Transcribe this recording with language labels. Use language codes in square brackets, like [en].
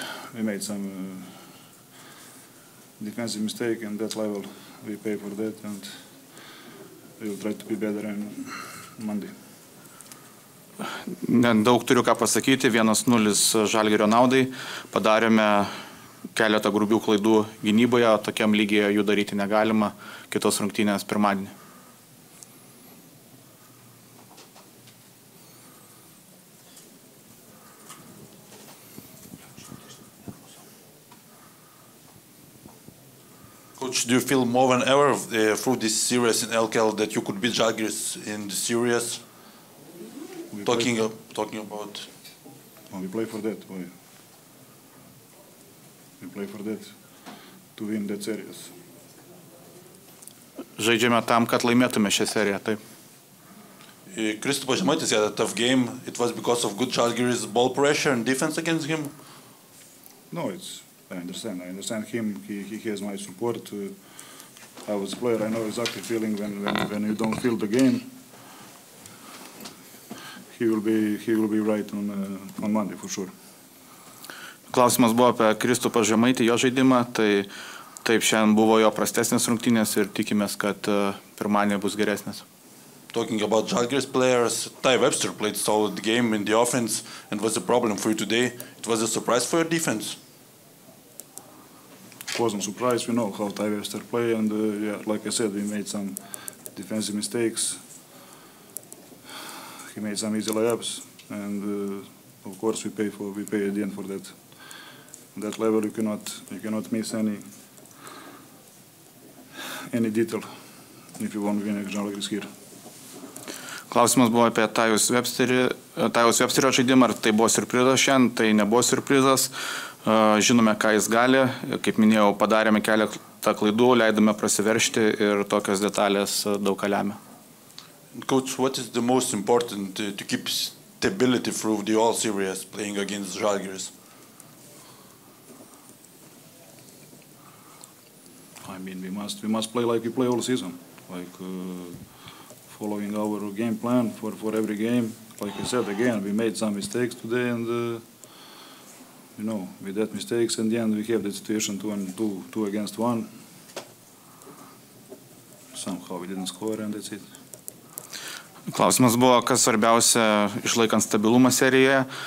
[en] We made some defensive mistake and that level we pay for that and we will try to be better on Monday. [lt] Nedaug turiu ką pasakyti. 1-0 Žalgirio naudai. Padarėme keletą grubių klaidų gynyboje, tokiam lygyje jų daryti negalima, kitos rungtynės pirmadienį. [en] Coach, do you feel more than ever through this series in LKL that you could beat Žalgiris in the series? Talking about... We play for that, boy. Play for that, to win that series. [lt] Žaidžiame tam, kad laimėtume šią seriją, taip. [en] Kristupas Žemaitis had a tough game. It was because of good Žalgiris ball pressure and defense against him? No, it's... I understand him. He has my support. I was a player. I know exactly feeling when you don't feel the game. He will be right on Monday, for sure. [lt] Klausimas buvo apie Kristupą Žemaitį, jo žaidimą, tai taip šiandien buvo jo prastesnės rungtynės ir tikimės, kad pirmadienį bus geresnės. [en] Talking about Žalgiris players, Ty Webster played solid game in the offense and was a problem for you today. It was a surprise for your defense. It wasn't a surprise, we know how Ty Webster play and yeah, like I said, we made some defensive mistakes. He made some easy layups and of course we pay at the end for that. That level you cannot miss any detail if you want to win a Žalgiris here. [lt] Klausimas buvo apie Tajus Websterio žaidimą, ar tai buvo surprizas šiandien, tai nebuvo surprizas. Žinome, ką jis gali. Kaip minėjau, padarėme keletą klaidų, leidome prasiveršti ir tokios detalės daug ką lemia. [en] Coach, what is the most important to keep stability through the all series playing against Žalgiris? I mean, we must play like we play all season, like following our game plan for every game. Like I said, again, we made some mistakes today and, you know, with that mistakes in the end, we have that situation 2-2 against 1. Somehow we didn't score and that's it. [lt] Klausimas buvo, kas svarbiausia išlaikant stabilumą serijoje.